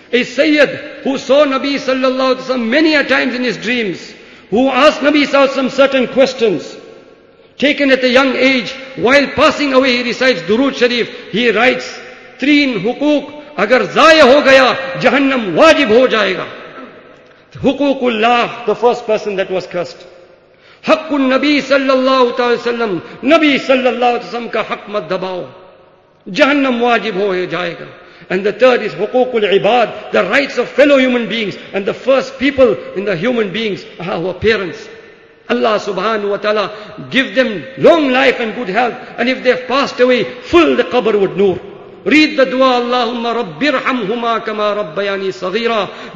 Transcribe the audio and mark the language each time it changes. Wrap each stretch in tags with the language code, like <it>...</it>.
<en>A Sayyid who saw Nabi Sallallahu Alaihi Wasallam many a times in his dreams, who asked Nabi Sallallahu Alaihi Wasallam certain questions, taken at a young age, while passing away he recites Durood Sharif, he writes, Treen Hukuk,</en> <ur>اگر ضائع ہو گیا جہنم واجب ہو جائے گا.</ur> <en>حقوق اللہ, the first person that was cursed.</en> <ur>حق النبی صلی اللہ علیہ وسلم, نبی صلی اللہ علیہ وسلم کا حق مت دباؤ, جہنم واجب ہو جائے گا.</ur> <en>And the third is حقوق العباد, the rights of fellow human beings. And the first people in the human beings are our parents. Allah subhanahu wa ta'ala give them long life and good health, and if they have passed away, fill the qabr with noor. Read the dua,</en> <ar>Allahumma rabbi irhamhuma kama rabbayani saghira.</ar>